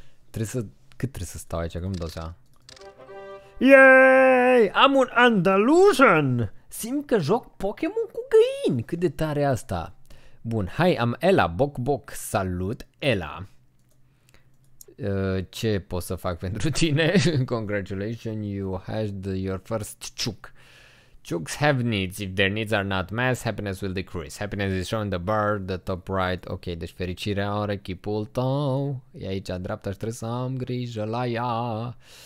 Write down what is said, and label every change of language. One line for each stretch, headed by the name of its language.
Romanian: Cât trebuie să stau aici? Că-mi dau seama. Yay! Am un Andalusian! Simt că joc Pokémon cu găini. Cât de tare asta. Bun, hai, am Ella. Boc, boc. Salut, Ella. Ce pot să fac pentru tine?
English: Congratulations, you hatched your first chook. Chooks have needs. If their needs are not met, happiness will decrease. Happiness is shown in the bar, the top right.
Romanian: Ok, deci fericirea are chipul tău. E aici, dreapta, și trebuie să am grijă la ea.